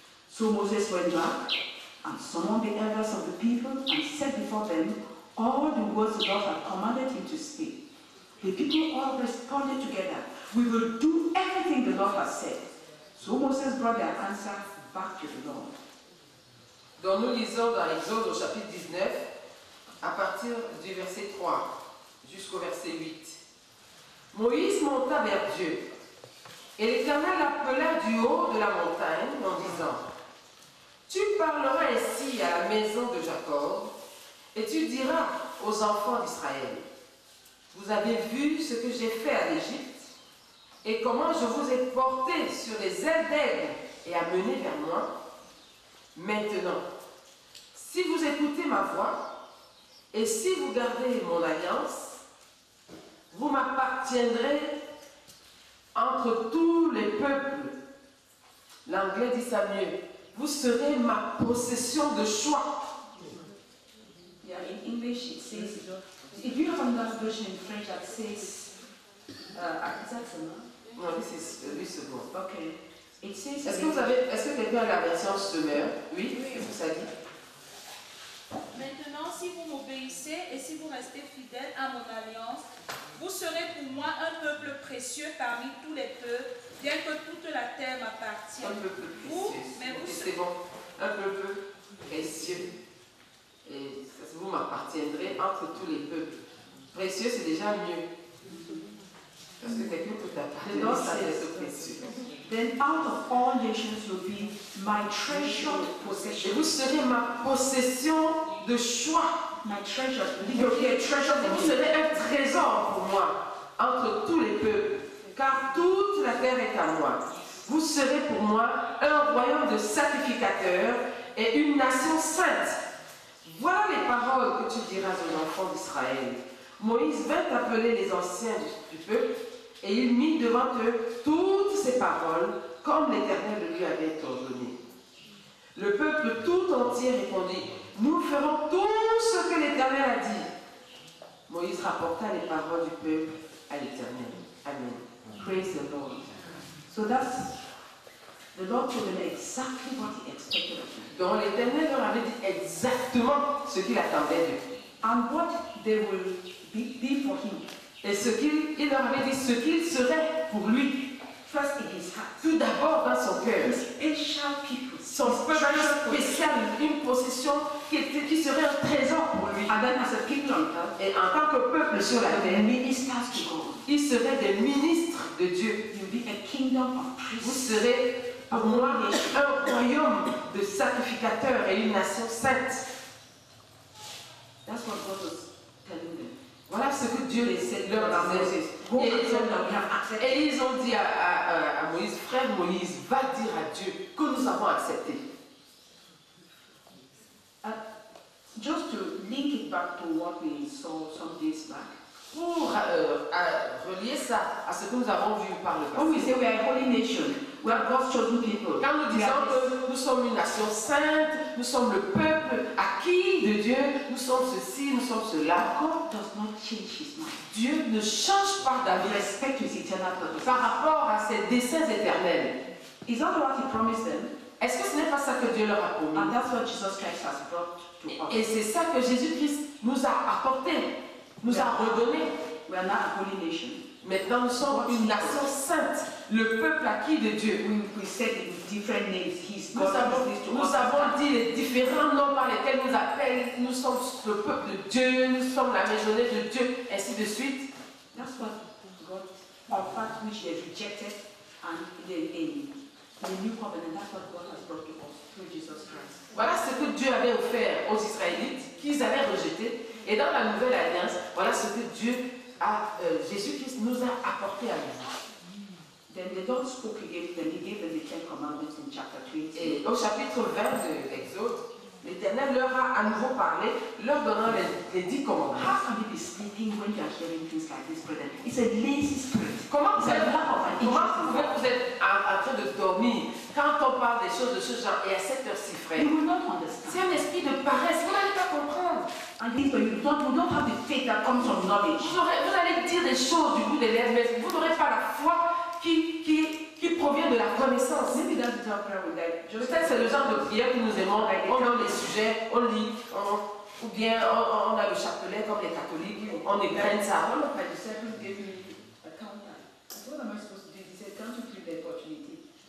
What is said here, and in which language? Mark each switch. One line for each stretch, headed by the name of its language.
English: So Moses went back and summoned the elders of the people and said before them all the words the Lord had commanded him to speak. The people all responded together, "We will do everything the Lord has said." So Moses brought their answer back to the Lord.
French: Donc nous lisons dans l'Exode au chapitre 19, à partir du verset 3 jusqu'au verset 8. Moïse monta vers Dieu, et l'Éternel l'appela du haut de la montagne en disant, « Tu parleras ainsi à la maison de Jacob, et tu diras aux enfants d'Israël, « Vous avez vu ce que j'ai fait à l'Égypte, et comment je vous ai porté sur les ailes d'aigle et amené vers moi ?» Maintenant, si vous écoutez ma voix et si vous gardez mon alliance, vous m'appartiendrez entre tous les peuples. L'anglais dit ça mieux. Vous serez ma possession de choix.
English: Yeah, in English it says, if you have another version in French that says,
French: non,
English: this is this one. Okay.
French: Est-ce que vous avez, est-ce que quelqu'un a la version semeur? Oui, qu'est-ce que ça dit? Maintenant, si vous m'obéissez et si vous restez fidèles à mon alliance, vous serez pour moi un peuple précieux parmi tous les peuples, bien que toute la terre m'appartienne. Un peuple précieux. Vous serez un peuple précieux. Et ça, vous m'appartiendrez entre tous les peuples. Précieux, c'est déjà mieux. Parce que quelqu'un peut t'appartenir, ça reste précieux.
English: Then out of all nations will be my treasured possession.
French: Et vous serez ma possession de choix.
English: My treasure.
French: Vous serez un trésor pour moi entre tous les peuples, car toute la terre est à moi. Vous serez pour moi un royaume de sacrificateurs et une nation sainte. Voilà les paroles que tu diras aux enfants d'Israël. Moïse vint appeler les anciens du peuple. Et il mit devant eux toutes ces paroles, comme l'Éternel lui avait ordonné. Le peuple tout entier répondit, « Nous ferons tout ce que l'Éternel a dit. » Moïse rapporta les paroles du peuple à l'Éternel. Amen.
English: Praise the Lord. So that's, the Lord told them exactly what he expected of them.
French: Donc l'Éternel leur avait dit exactement ce qu'il attendait d'eux.
English: And what they will be for him.
French: Et ce qu'il leur avait dit, ce qu'il serait pour lui,
English: first in his heart,
French: tout d'abord dans son cœur, son peuple spécial, une possession qui serait un trésor pour lui.
English: And then as a kingdom,
French: et en tant que peuple sur la terre,
English: ministers to God.
French: Il serait des ministres de Dieu.
English: You'll be a kingdom of priests.
French: Vous serez pour moi un royaume de sacrificateurs et une nation sainte.
English: That's what God was telling them.
French: Voilà ce que Dieu laissait leur donner. Et ils ont dit à Moïse, frère Moïse, va dire à Dieu que nous avons accepté.
English: Just to link it back to what we saw some days back.
French: Pour relier ça à ce que nous avons vu par le passé.
English: When we say we are a holy nation, we are God's chosen people.
French: Quand nous disons que nous sommes une nation sainte, nous sommes le peuple acquis de Dieu, nous sommes ceci, nous sommes cela.
English: God does not change his mind.
French: Dieu ne change pas d'avis.
English: Respect his eternal purpose.
French: Par rapport à ses desseins éternels.
English: Is that what he promised them?
French: Est-ce que ce n'est pas ça que Dieu leur a promis?
English: And that's what Jesus Christ has brought to us.
French: Et c'est ça que Jésus-Christ nous a apporté. Nous
English: we are
French: a redonné.
English: We are not a holy nation.
French: Maintenant, nous sommes une nation sainte, le peuple acquis de Dieu.
English: We said different names.
French: Nous avons dit les différents noms par lesquels nous appelle. Nous sommes le peuple de Dieu. Nous sommes la maison de Dieu, ainsi de suite.
English: That's what God, in fact, which they rejected, and the new covenant. That's what God has brought to us through Jesus Christ.
French: Voilà ce que Dieu avait offert aux Israélites qu'ils avaient rejeté. Et dans la nouvelle alliance, voilà ce que Dieu a, Jésus-Christ nous a apporté à nous.
English: Then the Lord spoke again, then he gave them the Ten Commandments in chapter 20.
French: Et au chapitre 20 de l'Exode, l'Éternel leur a à nouveau parlé, leur donnant les 10 commandements.
English: How can you be speaking when you are hearing things like this, brother? It's a lazy spirit.
French: Comment vous êtes en train de dormir quand on parle des choses de ce genre et à cette heure-ci, frère?
English: You will not understand.
French: C'est un esprit de paresse. Vous n'allez pas comprendre.
English: And this, but you don't have the faith that comes from knowledge.
French: Vous allez dire des choses du bout des lèvres, mais vous n'aurez pas la foi qui provient de la connaissance.
English: Maybe that's the type of prayer we like.
French: Peut-être c'est le genre de prière que nous aimons. On a les sujets, on lit, ou bien on a le chapelet comme les catholiques. Oui. On égrène ça.
English: One of my disciples gave me a countdown. What am I supposed to do? He said, can't you give the opportunity?